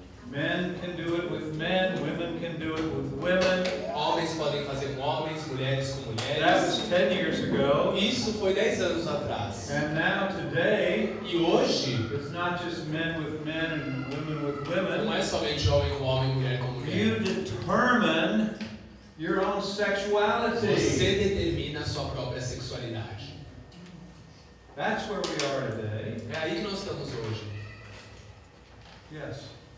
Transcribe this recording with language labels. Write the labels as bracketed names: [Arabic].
[English] Men can do it with men, women can do it with women. [Portuguese] Homens podem fazer com homens, mulheres com mulheres. [English] That was 10 years ago. [Portuguese] Isso foi 10 anos atrás. [English] And now today, [Portuguese] e hoje, [English] it's not just men with men and women with women. [Portuguese] Não é somente homem com homem, mulher com mulher. [English] You determine your own sexuality. [Portuguese] Você determina sua própria sexualidade. [English] That's where we are today. [Portuguese] É aí que nós estamos hoje. [English] Yes.